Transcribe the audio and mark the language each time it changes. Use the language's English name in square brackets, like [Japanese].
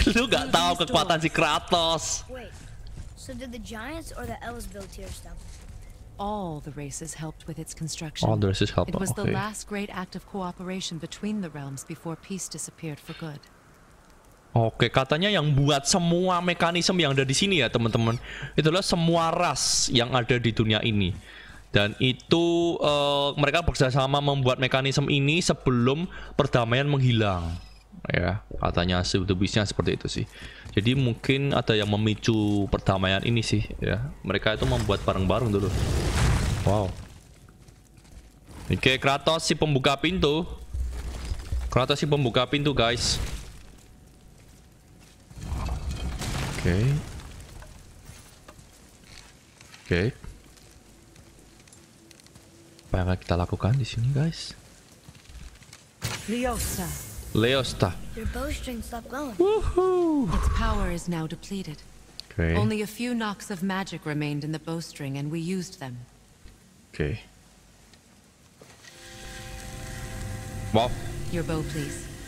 [Indonesian] Lu gak tahu kekuatan si Kratos. [English] Wait. So did the giants or the elves build here stuff? All the races helped with its construction. All the races helped. It was okay. the last great act of cooperation between the realms before peace disappeared for good. [Indonesian] Oke, katanya yang buat semua mekanisme yang ada di sini ya, teman-teman. Itulah semua ras yang ada di dunia ini. Dan itu mereka bersama-sama membuat mekanisme ini sebelum perdamaian menghilang. Ya, katanya sebetulnya seperti itu sih. Jadi mungkin ada yang memicu perdamaian ini sih, ya. Mereka itu membuat bareng-bareng dulu. Wow. Oke, Kratos si pembuka pintu. Kratos si pembuka pintu, guys. Oke. Apa yang kita lakukan di sini, guys? Leosta, 레어스타. [English] Your bowstring stopped going. Woohoo! Its power is now depleted. Okay. Only a few knocks of magic remained in the bowstring, and we used them. Okay. Wow. Your bow, please.